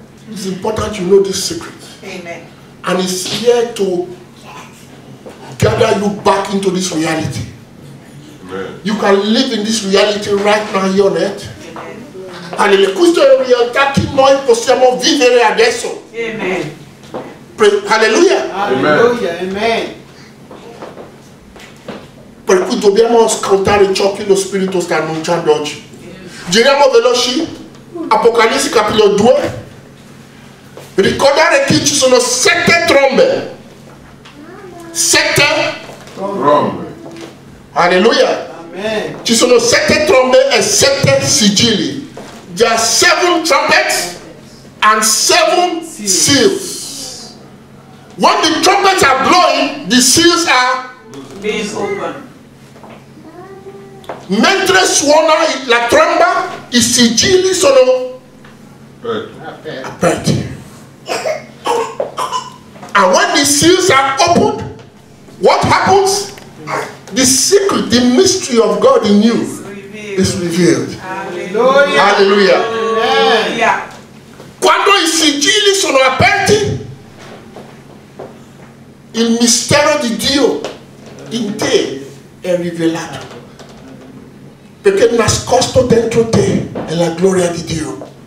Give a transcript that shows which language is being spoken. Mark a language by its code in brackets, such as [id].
[en] It's important you know this secret. Amen. And it's here to gather you back into this reality. Amen. You can live in this reality right now here on earth. Amen. Alleluia. [it] Questa è la realtà che noi possiamo vivere adesso. Amen. Alleluia. Alleluia. Amen. Per cui dobbiamo ascoltare ciò che lo Spirito sta annunciando oggi. Giriamo veloci. Apocalisse capitolo 2. Ricordare che ci sono sette trombe. Sette trombe. Alleluia. Amen. Ci sono sette trombe e sette sigilli. [en] There are seven trumpets and seven seals. When the trumpets are blowing, the seals are being open. [it] Mentre suona la tromba, i sigilli sono aperti. [en] And when the seals are opened, what happens? The secret, the mystery of God in you is revealed. Hallelujah. Hallelujah. [it] Quando i sigilli sono aperti, il mistero di Dio in te è rivelato. Perché nascosto dentro te è la gloria di Dio.